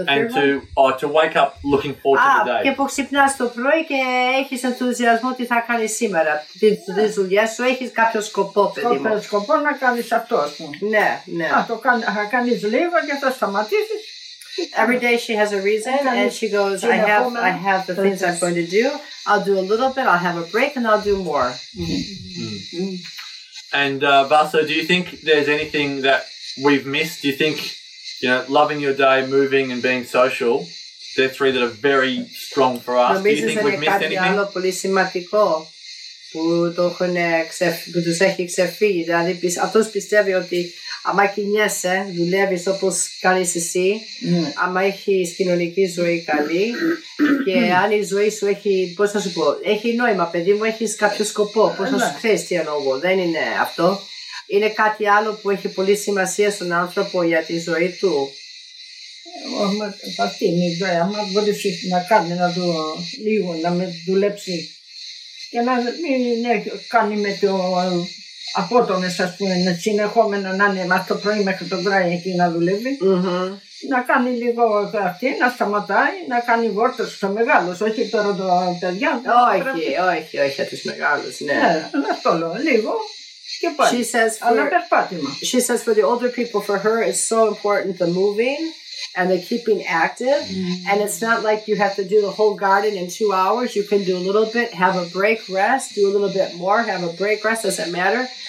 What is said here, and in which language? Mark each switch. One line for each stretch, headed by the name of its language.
English: and to wake up looking forward to the day.
Greek: Και που ξυπνάς το πρωί και έχεις ενθουσιασμό τι θα κάνεις σήμερα, τη δουλειά σου, έχεις κάποιο σκοπό, παιδί μου. Κάποιο σκοπό να κάνεις αυτό, ας πούμε. Ναι, ναι. Α, το κάνεις λίγο και θα σταματήσεις.
English: Every day she has a reason and she goes, I have the things I'm going to do. I'll do a little bit, I'll have a break and I'll do more. And Vasso, do you think there's anything that we've missed? Do you think, you know, loving your day, moving and being social, they're three that are very strong for us. Do you think we've missed anything?
Greek: Άλλο πολύ σημαντικό που τους έχει ξεφύγει. Δηλαδή αυτός πιστεύει ότι άμα κινιέσαι, δουλεύεις όπως κάνεις εσύ, άμα έχεις κοινωνική ζωή καλή και αν η ζωή σου έχει, πώς θα σου πω, έχει νόημα, παιδί μου, έχεις κάποιο σκοπό, πώς θα σου ξέρεις τι εννοώ, δεν είναι αυτό. Είναι κάτι άλλο που έχει πολύ σημασία στον άνθρωπο για τη ζωή του. Αυτή είναι η ζωή, άμα μπορείς να κάνει να δω λίγο, να με δουλέψει και να μην κάνει με το... απότομες, ας πούμε, να συνεχόμενο να είναι από το πρωί μέχρι το βράδυ εκεί να δουλεύει. Να κάνει λίγο αυτή, να σταματάει, να κάνει βόρτες στους μεγάλους, όχι τώρα το παιδιά. Όχι, όχι, όχι, τους μεγάλους, ναι. Ναι, αυτό λέω, λίγο.
English: She says, she says for the older people, for her, it's so important the moving and the keeping active. And it's not like you have to do the whole garden in 2 hours. You can do a little bit, have a break, rest, do a little bit more, have a break, rest, doesn't matter.